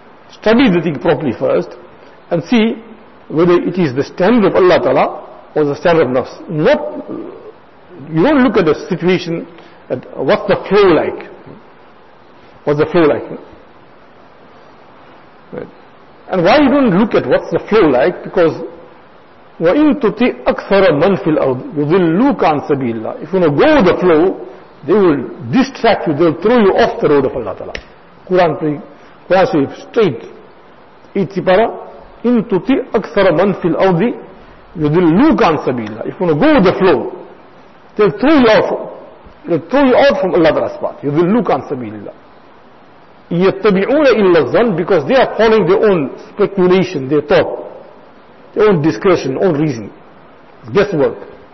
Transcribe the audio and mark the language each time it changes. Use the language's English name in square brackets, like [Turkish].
[English] Study the thing properly first and see whether it is the standard of Allah Ta'ala or the standard of nafs. Not, you don't look at the situation at what's the flow like. What's the flow like? Right. And why you don't look at what's the flow like? [Arabic] Because وَإِن تُطِئْ أَكْثَرَ مَنْ فِي الْأَرْضِ يُضِلُّكَ عَنْ سَبِيلِ اللَّهِ. [English] If you want to go with the flow, they will distract you, they will throw you off the road of Allah Ta'ala. Quran says straight, 80 para, [Arabic] إِن تُطِئْ أَكْثَرَ مَنْ فِي الْأَرْضِ يُضِلُّكَ عَنْ سَبِيلِ اللَّهِ. [English] If you want to go with the flow, they'll throw you off from Allah Ta'ala's path. [Arabic] يُضِلُّكَ عَنْ سَبِيلِ اللَّهِ. يَتَّبِعُونَ إِلَّا الظَّنَّ, [English] because they are following their own speculation, their thought, their own discretion, own reason. It's guesswork.